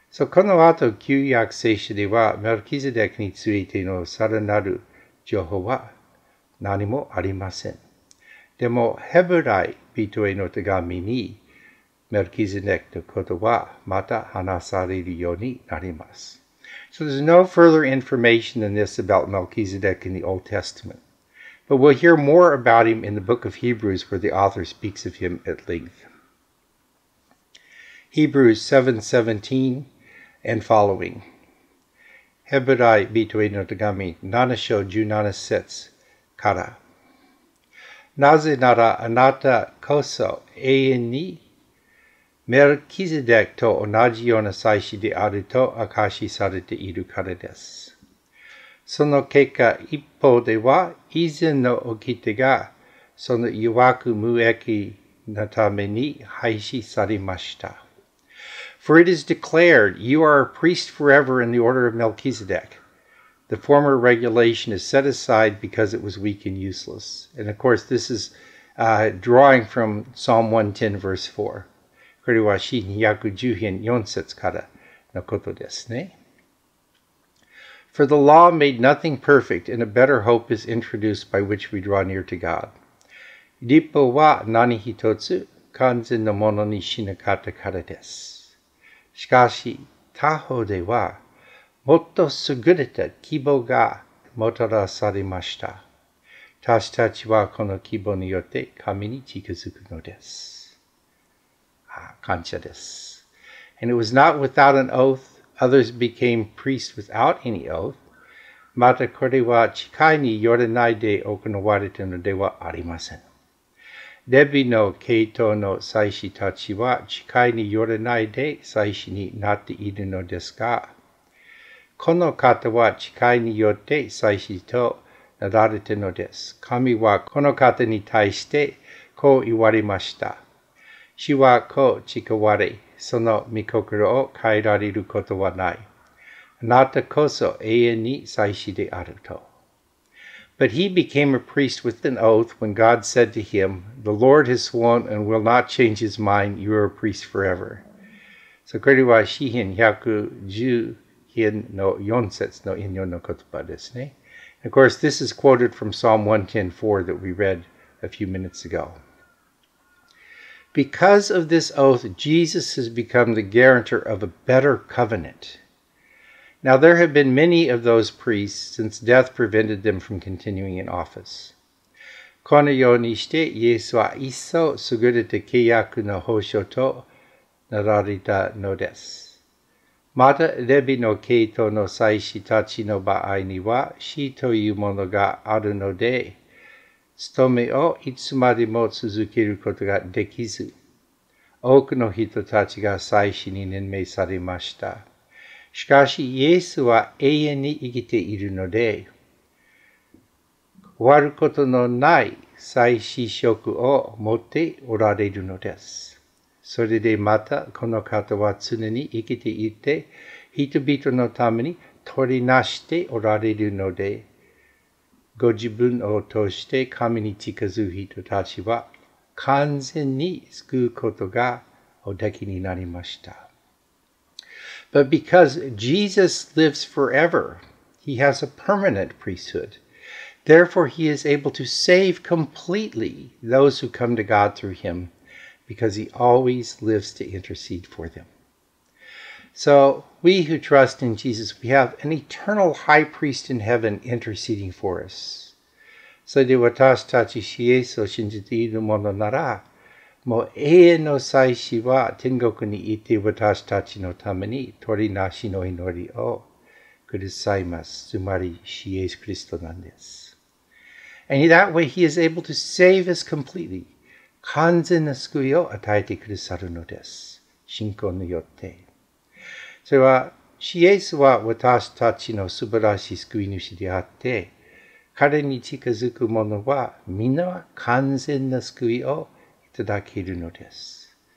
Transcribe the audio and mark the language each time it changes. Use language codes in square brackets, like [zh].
[ja] この後、旧約聖書ではメルキゼデクについてのさらなる情報は何もありません。でも、ヘブライ人への手紙にメルキゼデクのことはまた話されるようになります。 [en] So there's no further information than this about Melchizedek in the Old Testament. But we'll hear more about him in the book of Hebrews, where the author speaks of him at length. Hebrews 7:17 and following. [ja] Hebrai bitoe no tagami, 7 章17節から。なぜならあなたこそ永遠にメルキゼデクと同じような祭司であると証しされているからです。その結果、一方では、以前の掟が、その曰く無益のために廃止されました。 [en] For it is declared, you are a priest forever in the order of Melchizedek. The former regulation is set aside because it was weak and useless. And of course, this is drawing from Psalm 110, verse 4. [ja] これは詩110編4節からのことですね。 [en] For the law made nothing perfect, and a better hope is introduced by which we draw near to God. [ja] 立法は何一つ完全のものにしなかったからです。しかし、他方では、もっと優れた希望がもたらされました。私たちはこの希望によって神に近づくのです。感謝です。 [en] And it was not without an oath. Others became priests without any oath. [ja] またこれは誓いによらないで行われたのではありません。レビの系統の祭司たちは誓いによらないで祭司になっているのですが、この方は誓いによって祭司となられたのです。神はこの方に対してこう言われました。主はこう誓われ、その御心を変えられることはない。あなたこそ永遠に祭司であると。 [en] But he became a priest with an oath when God said to him, The Lord has sworn and will not change his mind, you are a priest forever. [ja] So, これは詩編110編の4節の引用の言葉ですね。 [en] Of course, this is quoted from Psalm 110:4 that we read a few minutes ago. Because of this oath, Jesus has become the guarantor of a better covenant. Now, there have been many of those priests since death prevented them from continuing in office. [ja] このようにして、イエスは一層優れた契約の保証となられたのです。また、レビの系統の祭司たちの場合には、死というものがあるので、務めをいつまでも続けることができず、多くの人たちが祭司に任命されました。しかし、イエスは永遠に生きているので、終わることのない祭司職を持っておられるのです。それでまた、この方は常に生きていて、人々のために取りなしておられるので、ご自分を通して神に近づく人たちは、完全に救うことがおできになりました。 [en] But because Jesus lives forever, he has a permanent priesthood. Therefore, he is able to save completely those who come to God through him, because he always lives to intercede for them. So, we who trust in Jesus, we have an eternal high priest in heaven interceding for us. [ja] So, で私たちイエスを信じているものなら、もう永遠の祭司は天国にいて私たちのために取りなしの祈りをくださいます。つまり、イエス・キリストなんです。 [en] And that way he is able to save us completely. [ja] 完全な救いを与えてくださるのです。信仰によって。それは、イエスは私たちの素晴らしい救い主であって、彼に近づく者はみんな完全な救いをいただけるのです。